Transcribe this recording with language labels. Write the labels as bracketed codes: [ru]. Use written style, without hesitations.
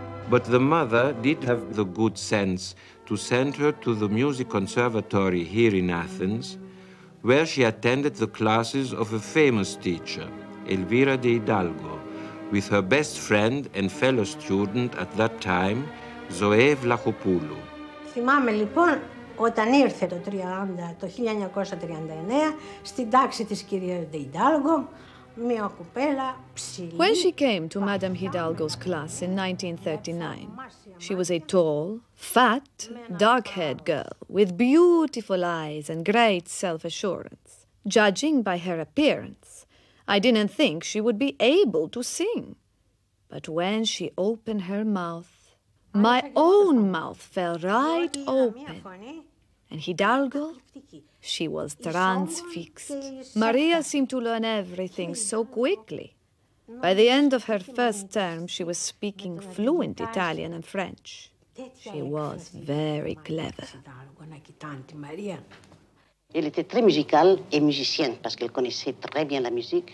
[en] But the mother did have the good sense to send her to the music conservatory here in Athens, where she attended the classes of a famous teacher, Elvira de Hidalgo, with her best friend and fellow student at that time, Zoe Vlachopoulou. [el] Θυμάμαι λοιπόν όταν ήρθε το 1939 στην τάξη της κυρίας De Hidalgo, μια κουπέλα ψηλή. [en] When she came to Madame Hidalgo's class in 1939, she was a tall, fat, dark-haired girl with beautiful eyes and great self-assurance. Judging by her appearance, I didn't think she would be able to sing. But when she opened her mouth, my own mouth fell right open. And Hidalgo, she was transfixed. Maria seemed to learn everything so quickly. By the end of her first term, she was speaking fluent Italian and French. She was very clever. [fr] Elle était très musicale et musicienne parce qu'elle connaissait très bien la musique.